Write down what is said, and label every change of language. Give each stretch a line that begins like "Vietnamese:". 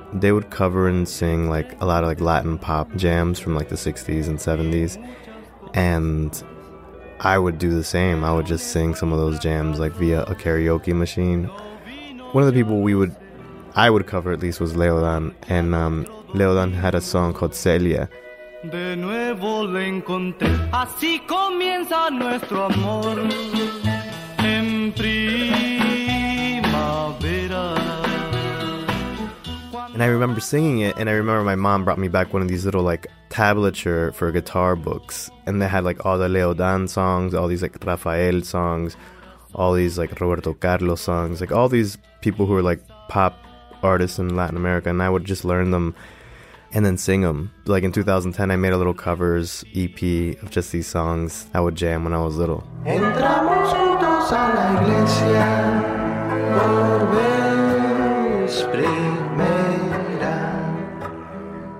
English: They would cover and sing like a lot of like Latin pop jams from like the 60s and 70s, and I would do the same. I would just sing some of those jams like via a karaoke machine. One of the people I would cover at least was Leodan, and Leodan had a song called Celia.
Spanish: De nuevo lo encontré, así comienza nuestro amor en primavera.
English: And I remember singing it, and I remember my mom brought me back one of these little like tablature for guitar books, and they had like all the Leodan songs, all these like Rafael songs, all these like Roberto Carlos songs, like all these people who are like pop artists in Latin America, and I would just learn them and then sing them. Like in 2010, I made a little covers EP of just these songs I would jam when I was little.
Spanish: Entramos juntos a la iglesia por vez primera.